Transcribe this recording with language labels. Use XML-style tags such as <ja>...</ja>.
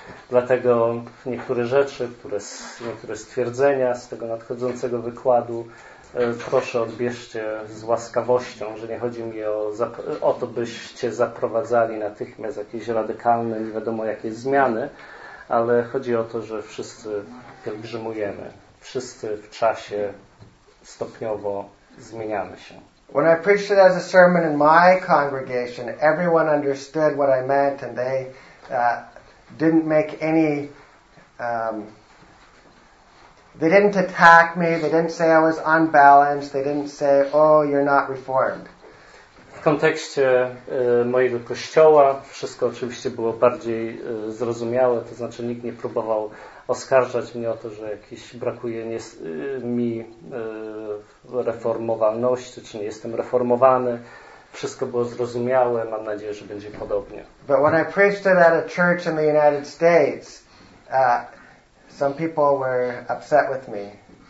<pl>Dlatego niektóre rzeczy, niektóre stwierdzenia z tego nadchodzącego wykładu proszę odbierzcie z łaskawością, że nie chodzi mi o to, byście zaprowadzali natychmiast jakieś radykalne, nie wiadomo jakie zmiany, ale chodzi o to, że wszyscy pielgrzymujemy. Wszyscy w czasie stopniowo zmieniamy się.</pl> <en>When I preached it as a sermon in my congregation, everyone understood what I meant and they didn't make any... they didn't attack me, they didn't say I was unbalanced, they didn't say, oh, you're not reformed.</en> <pl>W kontekście mojego kościoła wszystko oczywiście było bardziej zrozumiałe, to znaczy nikt nie próbował oskarżać mnie o to, że jakiś brakuje mi reformowalności, czy nie jestem reformowany. Wszystko było zrozumiałe, mam nadzieję, że będzie podobnie.</pl> <en>But when I preached it at a church in the United States, some people were upset with me.</en>